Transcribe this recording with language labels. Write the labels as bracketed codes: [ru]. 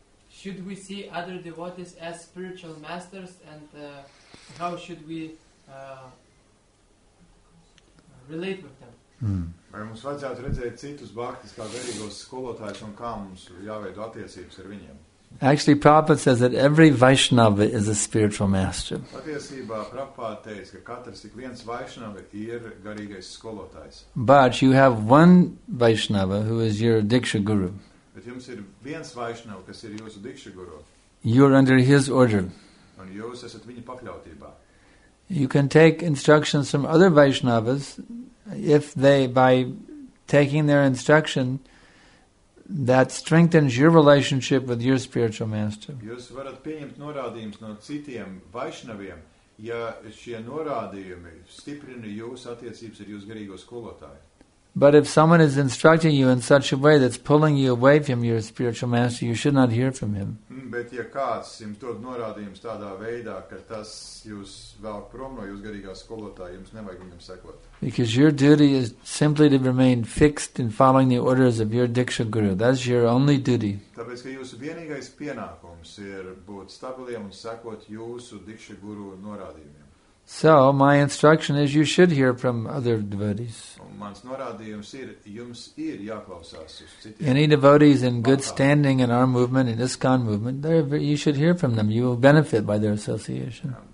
[en] Should we see other devotees as spiritual masters and how should we relate with them? [lv] Vai mums vajadzētu redzēt citus bhaktis kā derīgos skolotājus un kā mums jāveido attiecības ar viņiem? [en] Actually, Prabhupada says that every Vaishnava is a spiritual master. [lv] Patiesībā Prabhupada teica, ka katrs ik viens Vaishnava ir garīgais skolotājs. [en] But you have one Vaishnava who is your Diksha Guru. [lv] Bet jums ir viens Vaishnava, kas ir jūsu Diksha Guru. [en] You are under his order. [lv] Un jūs esat viņa pakļautībā. [en] You can take instructions from other Vaishnavas if they, by taking their instruction, that strengthens your relationship with your spiritual master. [lv] Jūs varat pieņemt norādījumus no citiem Vaishnaviem, ja šie norādījumi stiprina jūsu attiecības ar jūsu garīgo skolotāju. [en] But if someone is instructing you in such a way that's pulling you away from your spiritual master, you should not hear from him. [lv] Bet ja kāds jums dod norādījumus tādā veidā, ka tas jūs vēl prom no jūsu garīgā skolotāja, jums nevajag viņam sekot. [en] Because your duty is simply to remain fixed in following the orders of your Diksha Guru. That's your only duty. [lv] Tāpēc, ka jūsu vienīgais pienākums ir būt stabiliem un sekot jūsu Diksha Guru norādījumiem. [en] So, my instruction is you should hear from other devotees. [lv] Mans norādījums ir, jums ir jāklausās uz citiem. [en] Any devotees in good standing in our movement, in ISKCON movement, you should hear from them. You will benefit by their association.